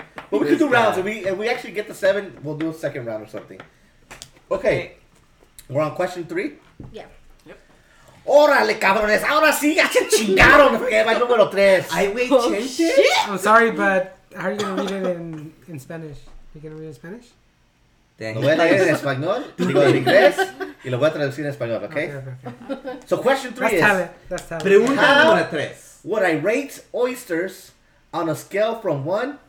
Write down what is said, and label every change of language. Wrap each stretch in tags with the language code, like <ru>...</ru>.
<en>But we could do rounds. If we actually get the 7, we'll do a second round or something. Okay. We're on question 3? Yeah.</en> <es>Órale, cabrones. Ahora sí, ya se chingaron. My número 3.</es> <en>I wait, oh, shit. I'm sorry, but how are you going to read it in Spanish? Are you going to read it in Spanish?</en> <es>Lo voy a leer en español, digo en inglés, y lo voy a traducir en español, okay?</es> <en>Okay. So question 3 that's is... That's</en> <es>pregunta número 3.</es> <en>Would I rate oysters on a scale from 1...</en>